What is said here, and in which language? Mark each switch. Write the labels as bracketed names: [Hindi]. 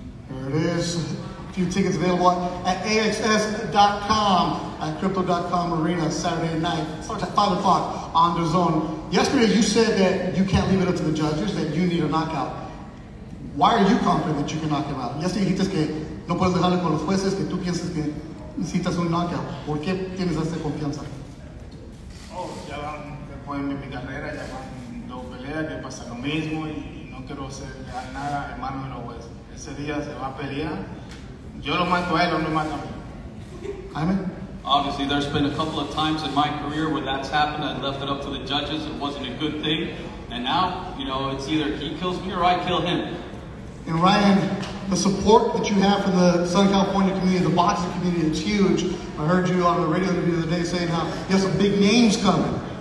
[English] There it is. A few tickets available at AXS.com, at Crypto.com Arena, Saturday night. Starts at 5 o'clock on the zone. Yesterday, you said that you can't leave it up to the judges, that you need a knockout. Why are you confident that you can knock him out? Yesterday, he just gave. [Spanish] No puedes dejarle con los jueces que tú piensas que necesitas un knockout. ¿Por qué tienes esa confianza? Oh, ya van después de mi carrera, ya van dos peleas, que pasa lo mismo y no quiero dejar nada en manos de los jueces. Ese día se va a pelear. Yo lo mato a él, no mato a mí. Jaime? [English] Obviously, there's been a couple of times in my career where that's happened. I left it up to the judges. It wasn't a good thing. And now, you know, it's either he kills me or I kill him. And Ryan, the support that you have from the Southern California community, the boxing community, it's huge. I heard you on the radio interview the other day saying how you have some big names coming.